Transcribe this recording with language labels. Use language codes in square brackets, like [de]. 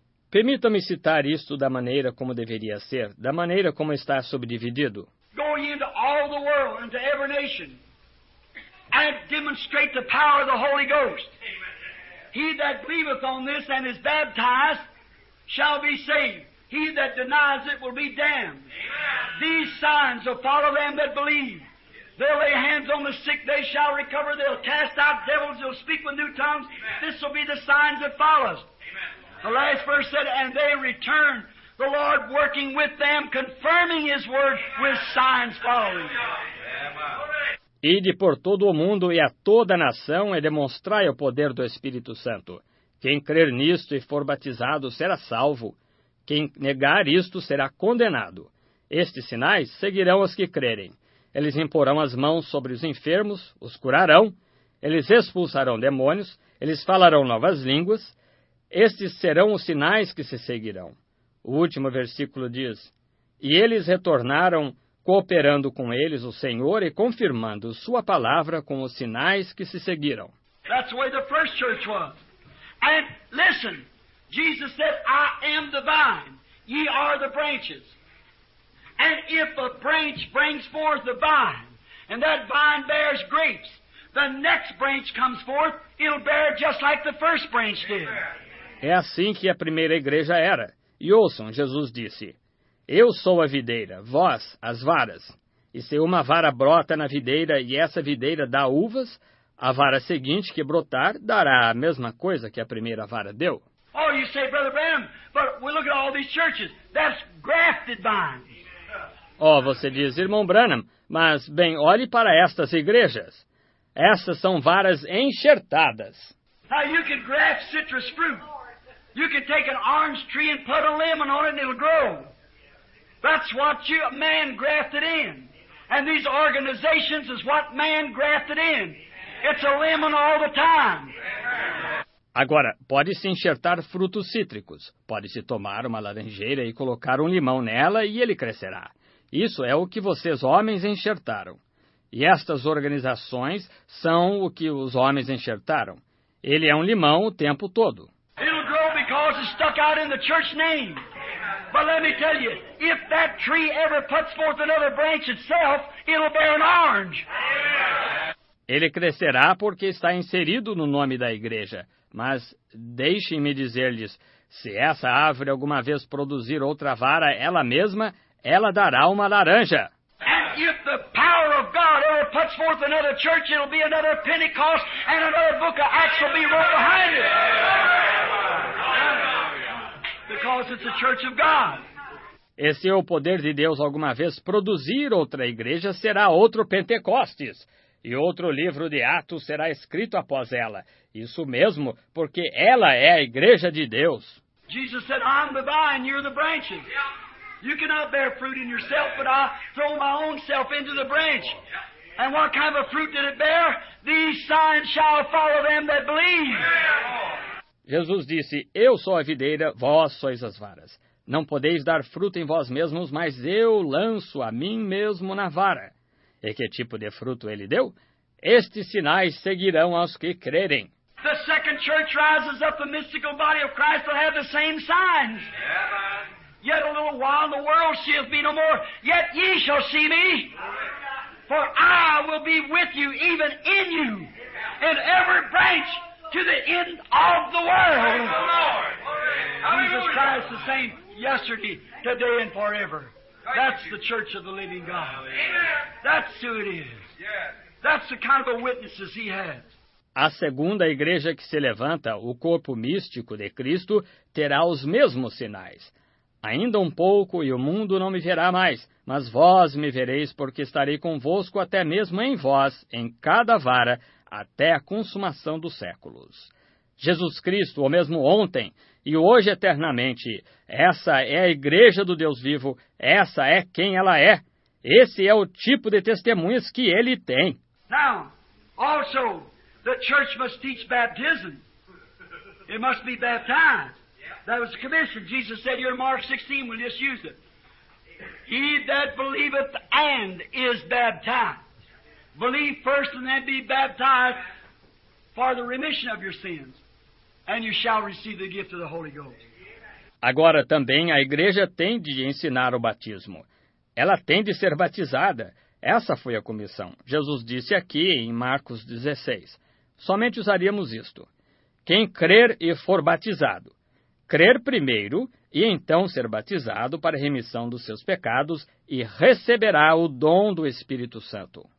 [pt] Permita-me citar isto da maneira como deveria ser, da maneira como está subdividido. [en] Go into all the world, into every nation, and demonstrate the power of the Holy Ghost. He that believeth on this and is baptized shall be saved. He that denies it will be damned. Amen. These signs will follow them that believe. They'll lay hands on the sick, they shall recover. They'll cast out devils, they'll speak with new tongues. Amen. This will be the signs that follow. The last verse said, and they return, the Lord working with them, confirming his word with signs following. Amen. [pt] Ide por todo o mundo e a toda a nação e demonstrai o poder do Espírito Santo. Quem crer nisto e for batizado será salvo. Quem negar isto será condenado. Estes sinais seguirão os que crerem. Eles imporão as mãos sobre os enfermos, os curarão, eles expulsarão demônios, eles falarão novas línguas. Estes serão os sinais que se seguirão. O último versículo diz: e eles retornaram, cooperando com eles o Senhor e confirmando sua palavra com os sinais que se seguiram. [en] That's the way the first church was. And listen, Jesus said, I am the vine, ye are the branches. And if a branch brings forth the vine, and that vine bears grapes, the next branch comes forth, it'll bear just like the first branch did. [pt] É assim que a primeira igreja era. E ouçam, Jesus disse: eu sou a videira, vós as varas. E se uma vara brota na videira e essa videira dá uvas, a vara seguinte que brotar dará a mesma coisa que a primeira vara deu. [en] Oh, you say, Brother Branham, but we look at all these churches. That's grafted vines. [pt] Oh, você diz, irmão Branham, mas, bem, olhe para estas igrejas. Essas são varas enxertadas. [en] Now you can graft citrus fruit. You can take an orange tree and put a lemon on it and it'll grow. That's what you, man grafted in. And these organizations is what man grafted in. It's a lemon all the time. [pt] Agora, pode-se enxertar frutos cítricos. Pode-se tomar uma laranjeira e colocar um limão nela e ele crescerá. Isso é o que vocês homens enxertaram. E estas organizações são o que os homens enxertaram. Ele é um limão o tempo todo. [en] It'll grow because it's stuck out in the church name. But let me tell you, if that tree ever puts forth another branch itself, it'll bear an orange. [pt] Ele crescerá porque está inserido no nome da igreja. Mas deixem-me dizer-lhes, se essa árvore alguma vez produzir outra vara ela mesma, ela dará uma laranja. [en] And if the power of God ever puts forth another church, it'll be another Pentecost, and another book of Acts will be right behind it. Because it's a church of God. [pt] E se o poder de Deus alguma vez produzir outra igreja, será outro Pentecostes. E outro livro de Atos será escrito após ela. Isso mesmo, porque ela é a igreja de Deus. [en] Jesus said, I'm the vine, you're the branches. You cannot bear fruit in yourself, but I throw my own self into the branch. And what kind of fruit did it bear? These signs shall follow them that believe. [pt] Jesus disse, eu sou a videira, vós sois as varas. Não podeis dar fruto em vós mesmos, mas eu lanço a mim mesmo na vara. E que tipo de fruto ele deu? Estes sinais seguirão aos que crerem. [en] The second church rises up, the mystical body of Christ will have the same signs. Yet a little while the world seeth me no more, yet ye shall see me. For I will be with you, even in you, in every branch. To the end of the world. Jesus Christ the same yesterday, today and forever. That's the church of the living God. That's who it is. That's the kind of a witnesses he has. [pt] A segunda igreja que se levanta, o corpo místico de Cristo, terá os mesmos sinais. Ainda um pouco e o mundo não me verá mais, mas vós me vereis, porque estarei convosco até mesmo em vós, em cada vara, até a consumação dos séculos. Jesus Cristo, o mesmo ontem e hoje eternamente, essa é a igreja do Deus vivo, essa é quem ela é. Esse é o tipo de testemunhas que ele tem. [en] Now, also, the church must teach baptism. It must be baptized. That was a commission. Jesus said, you're in Mark 16, we'll just use it. He that believeth and is baptized. Believe first and then be baptized for the remission of your sins, and you shall receive the gift of the Holy Ghost. [pt] Agora também a igreja tem de ensinar o batismo. Ela tem de ser batizada. Essa foi a comissão. Jesus disse aqui em Marcos 16. Somente usaríamos isto. Quem crer e for batizado. Crer primeiro e então ser batizado para remissão dos seus pecados e receberá o dom do Espírito Santo.